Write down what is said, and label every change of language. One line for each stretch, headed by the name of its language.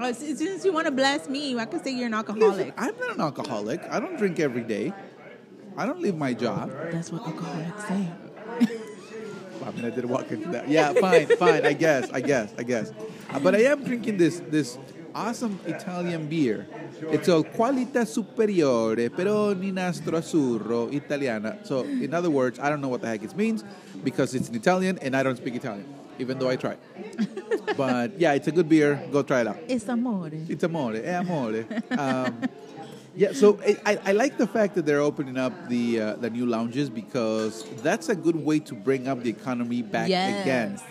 English: Since you want to bless me, I can say you're an alcoholic. Listen, I'm not an alcoholic. I don't drink every day. I don't leave my job. That's what alcoholics say. I mean, I did walk into that. Yeah, fine. I guess. But I am drinking this awesome Italian beer. It's a Qualità Superiore Peroni Nastro Azzurro Italiana. So, in other words, I don't know what the heck it means because it's in Italian and I don't speak Italian, even though I try. But yeah, it's a good beer. Go try it out. It's amore.
Italian: È amore.
English: Yeah, so I like the fact that they're opening up the new lounges because that's a good way to bring up the economy back again.